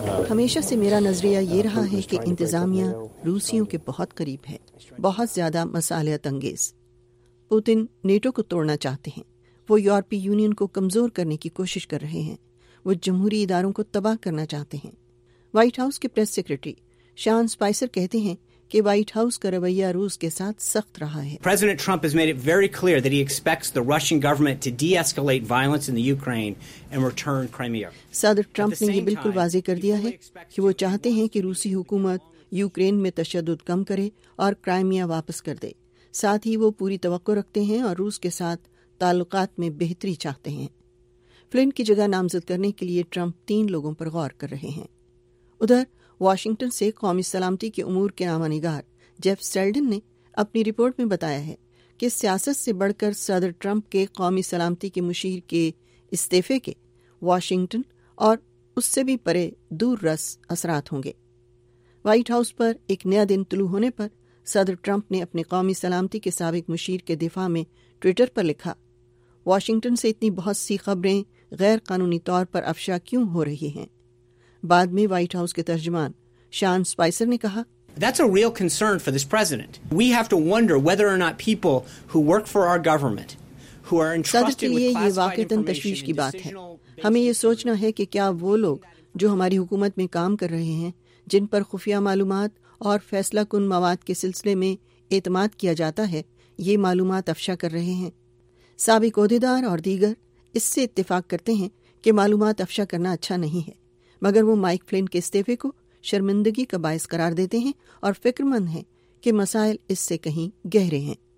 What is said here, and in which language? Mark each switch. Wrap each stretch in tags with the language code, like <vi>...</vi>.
<ur>ہمیشہ سے میرا نظریہ یہ رہا ہے کہ انتظامیہ روسیوں کے بہت قریب ہے, بہت زیادہ مصالحت انگیز. پوتن نیٹو کو توڑنا چاہتے ہیں, وہ یورپی یونین کو کمزور کرنے کی کوشش کر رہے ہیں, وہ جمہوری اداروں کو تباہ کرنا چاہتے ہیں. وائٹ ہاؤس کے پریس سیکرٹری شان اسپائسر کہتے ہیں کہ وائٹ ہاؤس کا رویہ روس کے ساتھ سخت رہا ہے.</ur> <en>President Trump has made it very clear that he expects the Russian government to de-escalate violence in the Ukraine and return Crimea.</en> <ur>صدر ٹرمپ نے یہ بالکل واضح کر دیا ہے کہ وہ چاہتے ہیں کہ روسی حکومت یوکرین میں تشدد کم کرے اور کرائمیا واپس کر دے. ساتھ ہی وہ پوری توقع رکھتے ہیں اور روس کے ساتھ تعلقات میں بہتری چاہتے ہیں. فلن کی جگہ نامزد کرنے کے لیے ٹرمپ تین لوگوں پر غور کر رہے ہیں. ادھر واشنگٹن سے قومی سلامتی کے امور کے نامہ نگار جیف سیلڈن نے اپنی رپورٹ میں بتایا ہے کہ سیاست سے بڑھ کر صدر ٹرمپ کے قومی سلامتی کے مشیر کے استعفے کے واشنگٹن اور اس سے بھی پرے دور رس اثرات ہوں گے. وائٹ ہاؤس پر ایک نیا دن طلوع ہونے پر صدر ٹرمپ نے اپنے قومی سلامتی کے سابق مشیر کے دفاع میں ٹویٹر پر لکھا, واشنگٹن سے اتنی بہت سی خبریں غیر قانونی طور پر افشا کیوں ہو رہی ہیں؟ بعد میں وائٹ ہاؤس کے ترجمان شان اسپائسر نے کہا,</ur> <en>That's a real concern for this president. We have to wonder whether or not people who work for our government, who are entrusted with classified information,</en> <ur>یہ واقعتاً تشویش کی بات ہے. ہمیں یہ سوچنا ہے کہ کیا وہ لوگ جو ہماری حکومت میں کام کر رہے ہیں, جن پر خفیہ معلومات اور فیصلہ کن مواد کے سلسلے میں اعتماد کیا جاتا ہے, یہ معلومات افشا کر رہے ہیں. سابق عہدیدار اور دیگر اس سے اتفاق کرتے ہیں کہ معلومات افشا کرنا اچھا نہیں ہے, مگر وہ مائک فلن کے استعفے کو شرمندگی کا باعث قرار دیتے ہیں اور فکر مند ہیں کہ مسائل اس سے کہیں گہرے ہیں.</ur>